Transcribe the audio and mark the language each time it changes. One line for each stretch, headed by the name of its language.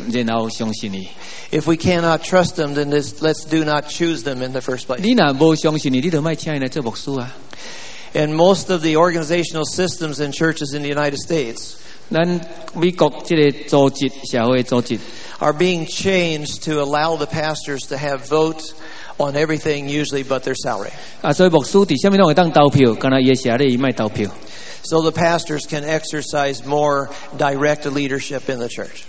English: If we cannot trust them, then let's do not choose them in the first place.
Min Nan Chinese: 你若无相信你，你就莫请伊来做牧师啊。
English: And most of the organizational systems in churches in the United States are being changed to allow the pastors to have vote on everything usually but their salary. So the pastors can exercise more direct leadership in the church.